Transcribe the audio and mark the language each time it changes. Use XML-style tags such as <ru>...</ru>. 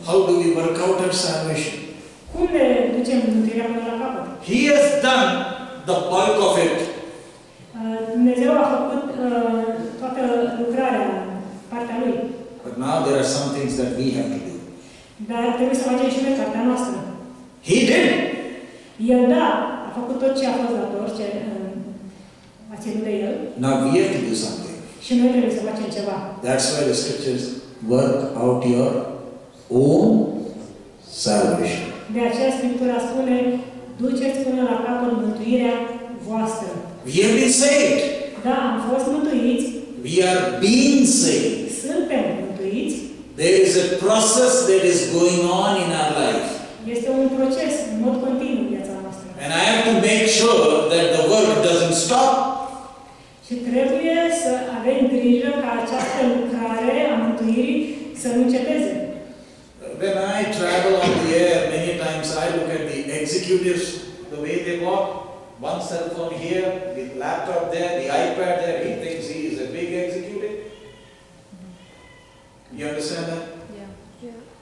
<en>How do we work out our salvation?</en> <ro>Cum ne ducem mântuirea până la capăt?</ro> <en>He has done the bulk of it.</en> <ro>Dumnezeu a făcut toată lucrarea, partea Lui.</ro> <en>But now there are some things that we have to do.</en> <ro>Dar trebuie să facem și noi partea noastră.</ro> <en>He did.</en> <ro>El da, a făcut tot ce a fost dator, ce a ținut de El.</ro> <en>Now we have to do something.</en> <ro>Și noi trebuie să facem ceva.</ro> <en>That's why the scriptures work out your own salvation.</en> <ro>De aceea Scriptura spune, duceți până la capăt mântuirea voastră.</ro> <en>We have been saved.</en> <ro>Da, am fost mântuiți.</ro> <en>We are being saved.</en> <ro>Suntem.</ro> <en>There is a process that is going on in our life.</en> <ro>Este un proces în mod continuu în viața noastră.</ro> <en>And I have to make sure that the work doesn't stop.</en> <ro>Și trebuie să avem grijă ca această lucrare a mântuirii să nu înceteze.</ro> <en>When I travel on the air, many times I look at the executives, the way they walk. One cell phone here, the laptop there, the iPad there, he thinks he is a big executive. You understand that? Yeah.</en>